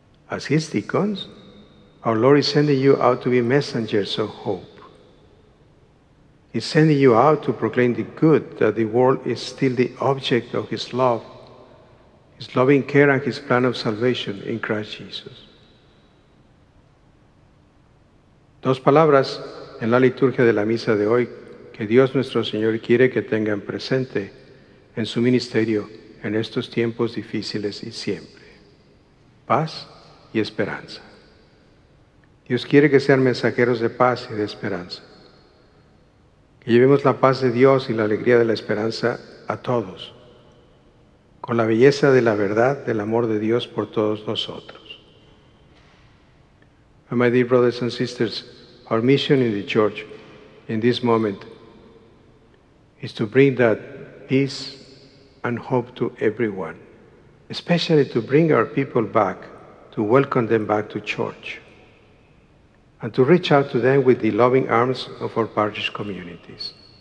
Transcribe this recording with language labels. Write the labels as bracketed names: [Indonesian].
[English] As his deacons, our Lord is sending you out to be messengers of hope. He's sending you out to proclaim the good that the world is still the object of his love, his loving care, and his plan of salvation in Christ Jesus. [Spanish] Dos palabras en la liturgia de la misa de hoy que Dios nuestro Señor quiere que tengan presente en su ministerio en estos tiempos difíciles y siempre. Paz y esperanza. Dios quiere que sean mensajeros de paz y de esperanza. Que llevemos la paz de Dios y la alegría de la esperanza a todos, con la belleza de la verdad del amor de Dios por todos nosotros. [English] And my dear brothers and sisters, our mission in the church in this moment is to bring that peace and hope to everyone, especially to bring our people back, to welcome them back to church, and to reach out to them with the loving arms of our parish communities.